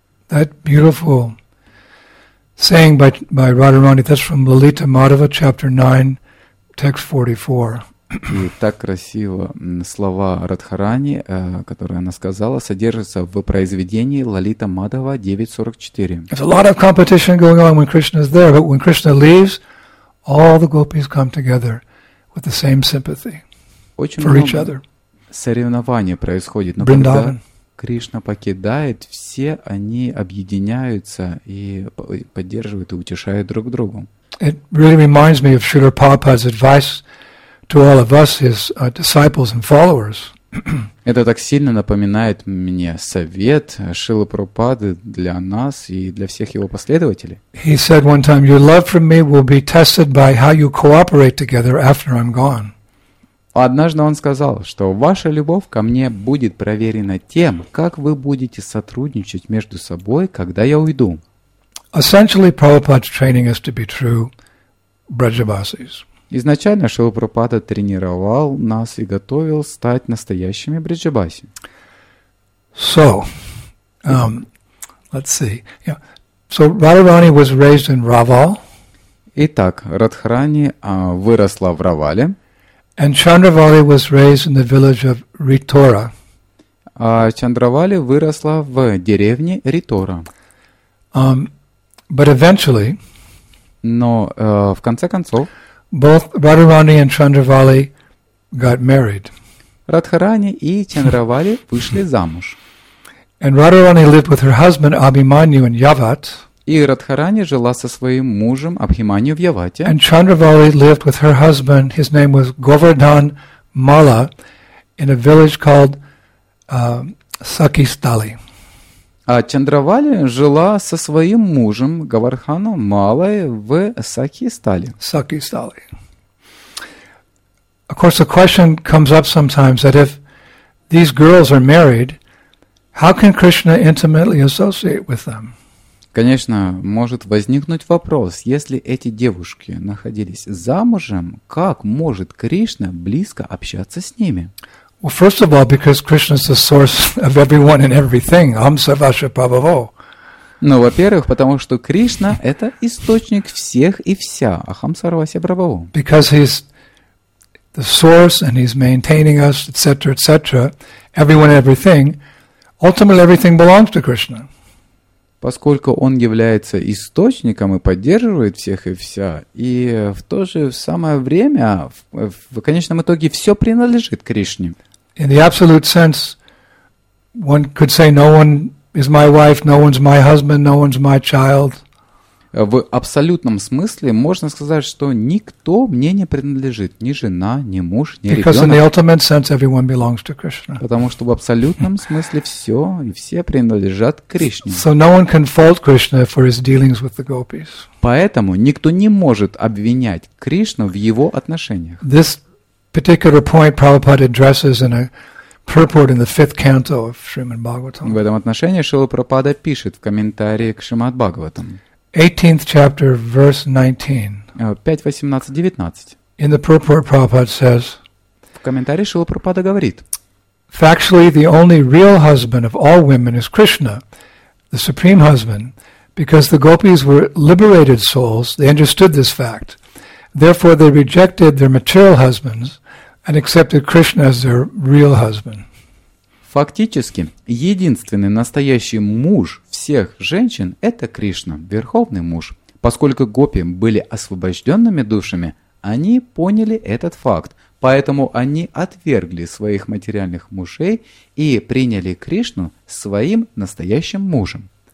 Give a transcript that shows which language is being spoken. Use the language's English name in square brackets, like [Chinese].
[English] That beautiful saying by Radharani, that's from Lalita Madhava, chapter 9. Text 44. [Russian] И так красиво слова Радхарани, которые она сказала, содержатся в произведении Лалита Мадхава 9.44. [English] There's a lot of competition going on when Krishna is there, but when Krishna leaves, all the gopis come together with the same sympathy for each other. [Russian] Соревнование происходит, но когда Кришна покидает, все они объединяются и поддерживают и утешают друг друга. [English] It really reminds me of Srila Prabhupada's advice to all of us, his disciples and followers. [Russian] Это так сильно напоминает мне совет Шрилы Прабхупады для нас и для всех его последователей. [English] He said one time, "Your love for me will be tested by how you cooperate together after I'm gone." [Russian] Однажды он сказал, что ваша любовь ко мне будет проверена тем, как вы будете сотрудничать между собой, когда я уйду. [English] Essentially, Prabhupada's training is to be true Brajavasis. [Russian] Изначально Шрила Прабхупада тренировал нас и готовил стать настоящими бриджабаси. [English] So, let's see. Yeah. So Radharani was raised in Raval. [Russian] Итак, Радхарани выросла в Равале. [English] And Chandravali was raised in the village of Ritora. [Russian] А Чандравали выросла в деревне Ритора. [English] But eventually, [Russian] но в конце концов, [English] both Radharani and Chandravali got married. [Russian] Радхарани и Чандравали вышли замуж. [English] And Radharani lived with her husband Abhimanyu in Yavat. [Russian] И Радхарани жила со своим мужем Абхиманью в Явате. [English] And Chandravali lived with her husband, his name was Govardhan Mala, in a village called Sakistali. [Russian] А Чандравали жила со своим мужем Говардханом Малой в Сакхистали. Сакхистали. [English] Of course, the question comes up sometimes that if these girls are married, how can Krishna intimately associate with them? [Russian] Конечно, может возникнуть вопрос, если эти девушки находились замужем, как может Кришна близко общаться с ними? [English] Well, first of all, because Krishna is the source of everyone and everything, Amsa Vasha Pavavo. [Russian] Ну, во-первых, потому что Кришна – это источник всех и вся, Ахамса Равасе Прабаву. [English] Because he's the source and he's maintaining us, etc., etc., everyone and everything, ultimately everything belongs to Krishna. [Russian] Поскольку он является источником и поддерживает всех и вся, и в то же самое время, в конечном итоге, все принадлежит Кришне. [English] In the absolute sense, one could say no one is my wife, no one's my husband, no one's my child. [Russian] В абсолютном смысле можно сказать, что никто мне не принадлежит, ни жена, ни муж, ни ребенок. [English] Because in the ultimate sense, everyone belongs to Krishna. [Russian] Потому что в абсолютном смысле все и все принадлежат Кришне. [English] So no one can fault Krishna for his dealings with the gopis. [Russian] Поэтому никто не может обвинять Кришну в его отношениях. [English] This particular point Prabhupada addresses in a purport in the fifth canto of Shrimad Bhagavatam. [Russian] В этом отношении Шрила Прабхупада пишет в комментарии к Шримад Бхагаватам. [English] 18th chapter, verse 19. [Russian] 5:18-19. [English] In the purport, Prabhupada says. [Russian] В комментарии Шрила Прабхупада говорит. [English] Factually, the only real husband of all women is Krishna, the supreme husband, because the gopis were liberated souls. They understood this fact. Therefore, they rejected their material husbands and accepted Krishna as their real husband. [Russian] Фактически, единственный настоящий муж всех женщин – это Кришна, верховный муж. Поскольку гопи были освобожденными душами, они поняли этот факт. Поэтому они отвергли своих материальных мужей и приняли Кришну своим настоящим мужем.